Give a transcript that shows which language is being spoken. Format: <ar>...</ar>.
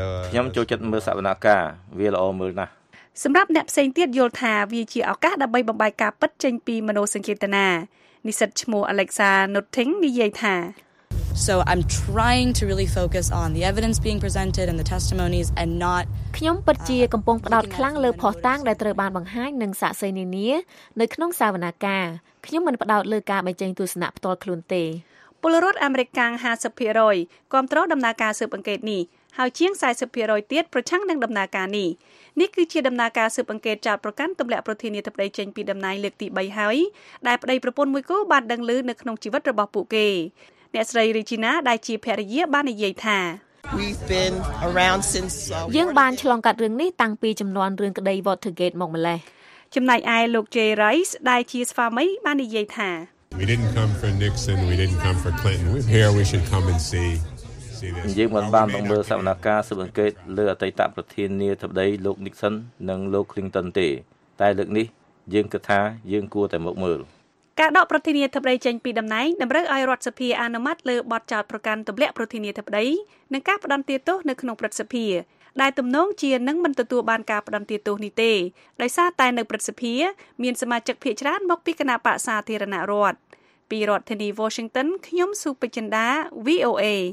<km>ខ្ញុំចូលចិត្តមើលសវនកម្មវាល្អមើលណាស់សម្រាប់អ្នកផ្សេងទៀតយល់ថាវាជាឱកាសដើម្បីបំបែកការពិតចេញពីមនោសញ្ចេតនានិស្សិតឈ្មោះ Alexa Nutting និយាយថា</km> <en>So I'm trying to really focus on the evidence being presented and the testimonies and not</en> <km>ខ្ញុំពិតជាកំពុងផ្ដោតខ្លាំងលើភស្តុតាងដែលត្រូវបានបង្ហាញនឹងសាក្សីនានានៅក្នុងសវនកម្មខ្ញុំមិនផ្ដោតលើការបញ្ចេញទស្សនៈផ្ទាល់ខ្លួនទេ ពលរដ្ឋអាមេរិកកាំង 50% គាំទ្រដំណើរការស៊ើបអង្កេតនេះហើយជាង 40% ទៀតប្រឆាំងនឹងដំណើរការនេះនេះគឺជាដំណើរការស៊ើបអង្កេតចោទប្រកាន់ទម្លាក់ប្រធានាធិបតីចេញពីដំណែងលើកទី3ហើយដែលប្តីប្រពន្ធមួយគូបានដឹងឮនៅក្នុងជីវិតរបស់ពួកគេអ្នកស្រី Regina ដែលជាភរិយាបាននិយាយថា យើងបានឆ្លងកាត់រឿងនេះតាំងពីជំនាន់រឿងក្តី Watergate មកម្ល៉េះ ចំណែកឯលោក Jay Rice ដែលជាស្វាមីបាននិយាយថា</km> <en>We didn't come for Nixon, we didn't come for Clinton. We're here, we should come and see.</en> <km>យើងមិនបានមកមើលសវនកម្មស៊ើបអង្កេតលើអតីតប្រធាននាយកដ្ឋានលោក Nixon និងលោក Clinton ទេតែលើកនេះយើងគិតថាយើងគួរតែមកមើល ការដកប្រធានាធិបតីចេញពីដំណែងតម្រូវឲ្យរដ្ឋសភាអនុម័តលើបទចោទប្រកាន់ទម្លាក់ប្រធានាធិបតីនិងការផ្ដន្ទាទោសនៅក្នុងព្រឹទ្ធសភាដែលទំនងជានឹងមិនទទួលបានការផ្ដន្ទាទោសនេះទេដោយសារតែនៅព្រឹទ្ធសភាមានសមាជិកភាគច្រើនមកពីគណបក្សសាធារណរដ្ឋពីរដ្ឋធានី Washington ខ្ញុំស៊ូពេជ្រចិន្តា VOA</km>